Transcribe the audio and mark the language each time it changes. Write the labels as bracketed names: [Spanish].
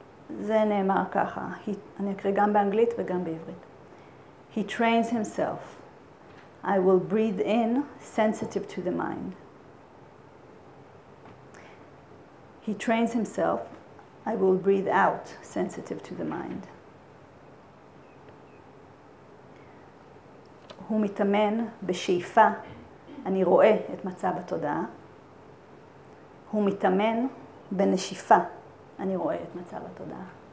[Hebrew] וזה נאמר ככה, אני אקריא גם באנגלית וגם בעברית. [English] He trains himself. I will breathe in sensitive to the mind. He trains himself. I will breathe out sensitive to the mind. [Hebrew] הוא מתאמן בשאיפה. אני רואה את מצב התודעה. הוא מתאמן בנשיפה. אני רואה את מצב התודעה.